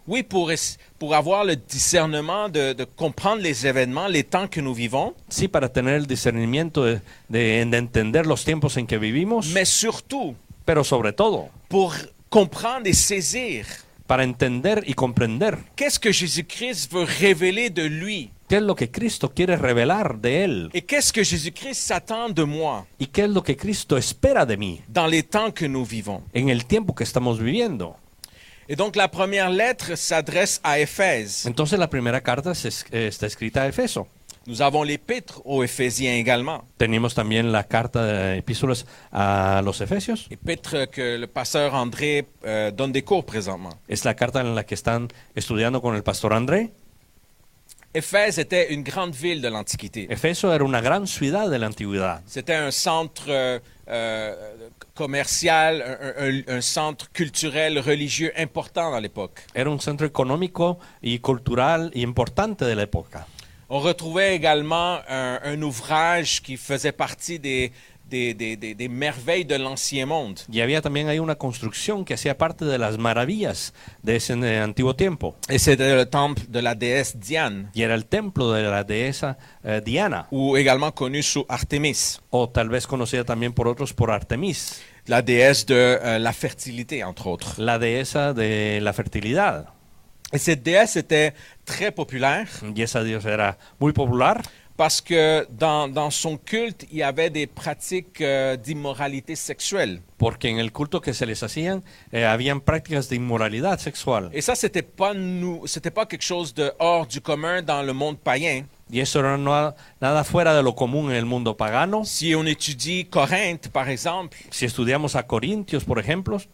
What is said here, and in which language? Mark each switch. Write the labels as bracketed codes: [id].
[fr] Oui, pour avoir le discernement de comprendre les événements, les temps que nous vivons. [es] Sí, para tener el discernimiento de entender los tiempos en que vivimos. [fr] Mais surtout. [es] Pero sobre todo. [fr] Pour comprendre et saisir. [es] Para entender y comprender. [fr] Qu'est-ce que Jésus-Christ veut révéler de lui? [es] ¿Qué es lo que Cristo quiere revelar de él? [fr] Et qu'est-ce que Jésus-Christ s'attend de moi? [es] ¿Y qué es lo que Cristo espera de mí? [fr] Dans les temps que nous vivons. [es] En el tiempo que estamos viviendo. [fr] Et donc la première lettre s'adresse à Éphèse. [es] Entonces la primera carta está escrita a Éfeso. [fr] Nous avons l'épître aux Éphésiens également. [es] Tenemos también la carta de epístolas a los Efesios. [fr] Épître que le pasteur André donne des cours présentement. [es] Es la carta en la que están estudiando con el pastor André. [fr] Éphèse était une grande ville de l'Antiquité. [es] Éfeso era una gran ciudad de la antigüedad. [fr] C'était un centre commercial, un centre culturel, religieux important dans l'époque. [es] Era un centro económico y cultural y importante de la época. [fr] On retrouvait également un ouvrage qui faisait partie des merveilles de l'ancien monde. [es] Y había también ahí una construcción que hacía parte de las maravillas de ese antiguo tiempo. [fr] Et c'était le temple de la déesse Diane. [es] Y era el templo de la diosa Diana. [fr] Ou également connu sous Artemis. [es] O tal vez conocida también por otros por Artemis. [fr] La déesse de la fertilité, entre autres. [es] La diosa de la fertilidad. [fr] Et cette déesse était très populaire. [es] Y esa diosa era muy popular. [fr] Parce que dans son culte, il y avait des pratiques d'immoralité sexuelle. [es] Porque en el culto que se les hacían, habían prácticas de inmoralidad sexual. [fr] Et ça, c'était pas quelque chose de hors du commun dans le monde païen. [es] Y eso era nada fuera de lo común en el mundo pagano. [fr] Si on étudie Corinthe, par exemple. [es] Si estudiamos a Corintios, por ejemplo.